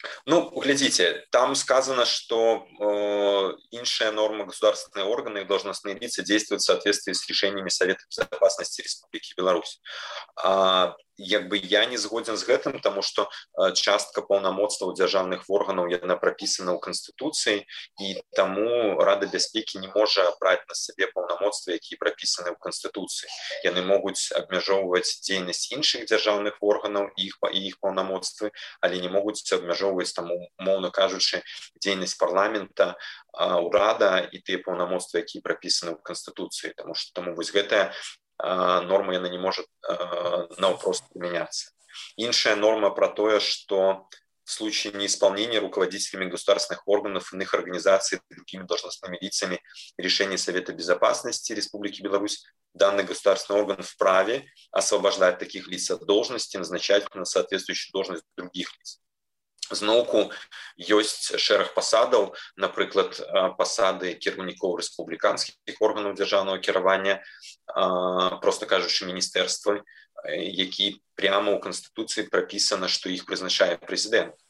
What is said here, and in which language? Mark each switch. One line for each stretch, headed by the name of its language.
Belarusian: Ну, глядзіце,
Russian: там сказано,
Belarusian: што іншая норма
Russian: государственные органы и должностные лица действуют в соответствии с решениями Совета безопасности Республики Беларусь.
Belarusian: Як бы я не згоден з гэтым, таму што частка паўнамоцтваў дзяржаўных органаў яна прапісана ў канстытуцыі, і таму Рада бяспекі не можа браць на сабе паўнамоцтвы, якія прапісаны ў канстытуцыі. Яны могуць абмяжоўваць дзейнасць іншых дзяржаўных органаў і іх паўнамоцтвы, але не могуць абмяжоўваць, таму моўна кажучы, дзейнасць парламента, урада і тыя паўнамоцтвы, якія прапісаны ў канстытуцыі, таму вось гэтая норма яна не можа наўпрост прымяняцца. Іншая норма пра тое, што
Russian: в случае неисполнения руководителями государственных органов иных организаций другими должностными лицами решения Совета безопасности Республики Беларусь, данный государственный орган вправе освобождать таких лиц от должности, назначать на соответствующую должность других лиц.
Belarusian: Зноўку ёсць шэраг пасадаў, напрыклад, пасады кіраўнікоў рэспубліканскіх органаў дзяржаўнага кіравання, проста кажучы, міністэрства, які прямо ў канстытуцыі прапісана, што іх прызначае прэзідэнт.